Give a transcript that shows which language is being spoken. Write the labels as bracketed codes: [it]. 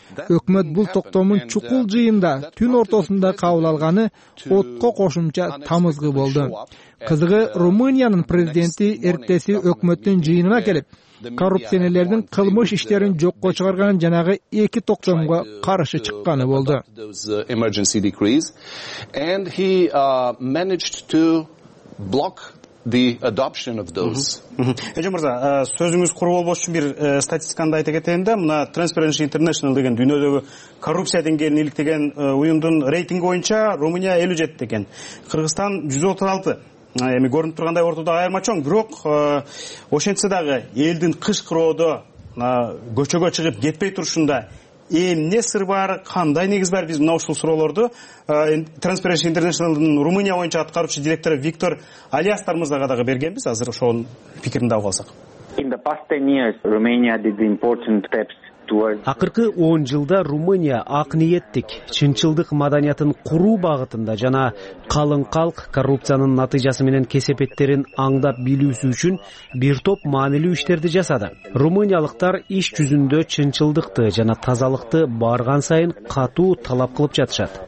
[ky] Өкмөт бул токтомун чукул жыйында түн ортосунда кабыл алганы отко кошумча тамызгы болду. Кызыгы, Румыниянын президенти эртеси өкмөттүн жыйынына келип, коррупционерлердин кылмыш иштерин жокко чыгарган жанагы эки токтомго каршы чыкканы болду. [en] And he managed to block the adoption of those. [ky] Эже мырза, сөзүңүз куру болбош үчүн бир статистиканы айта кетейин да. Мына Transparency International деген дүйнөдөгү коррупция деңгээлин иликтеген уюмдун рейтинги боюнча Румыния 57 экен, Кыргызстан 136. Эми көрүнүп тургандай ортодо айырма чоң, бирок ошентсе дагы элдин кышкыроодо көчөгө чыгып кетпей турушунда эмне сыр бар, кандай негиз бар? Биз мына ушул суроолорду Transparency International'ın Румыния боюнча аткаруучу директору Виктор Алиастарыбызга дагы бергенбиз. Азыр ошонун пикирин да угалсак. [en] In the past 10 years, Romania did important steps. [ky] Акыркы 10 жылда Румыния ак ниеттик, чынчылдык маданиятын куруу багытында жана калың калк коррупциянын натыйжасы менен кесепеттерин аңдап билүүсү үчүн бир топ маанилүү иштерди жасады. Румыниялыктар иш жүзүндө чынчылдыкты жана тазалыкты барган сайын катуу талап кылып жатышат.